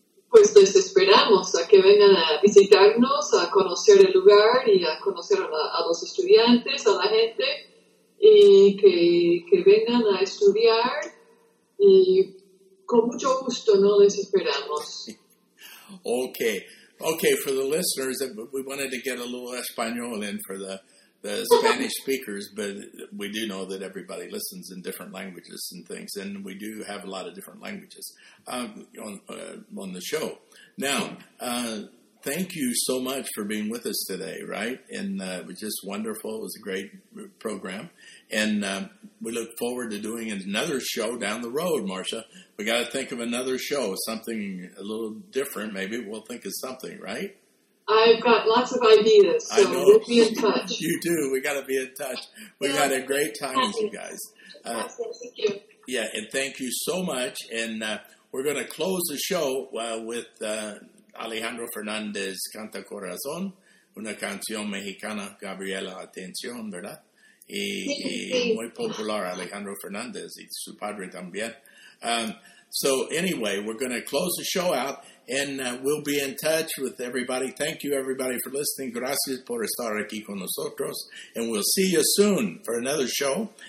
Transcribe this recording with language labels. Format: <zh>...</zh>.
<es>Pues les esperamos a que vengan a visitarnos, a conocer el lugar y a conocer a los estudiantes, a la gente, y que vengan a estudiar, y con mucho gusto, ¿no? Les esperamos.</es> <en>Okay, for the listeners, we wanted to get a little Espanol in for the Spanish speakers, but we do know that everybody listens in different languages and things, and we do have a lot of different languages on the show. Now, thank you so much for being with us today, right? And it was just wonderful. It was a great program. And we look forward to doing another show down the road, Marcia. We got to think of another show, something a little different. Maybe we'll think of something, right? I've got lots of ideas, so we'll be in touch. You do. We got to be in touch. We had a great time with you guys. Thank you. Yeah, and thank you so much. And we're going to close the show with Alejandro Fernandez, Canta Corazón,</en> <es>una canción mexicana, Gabriela Atención, ¿verdad? Y muy popular, Alejandro Fernandez, y su padre también.</es> <en>So anyway, we're going to close the show out. And we'll be in touch with everybody. Thank you, everybody, for listening.</en> <es>Gracias por estar aquí con nosotros.</es> <en>And we'll see you soon for another show.</en>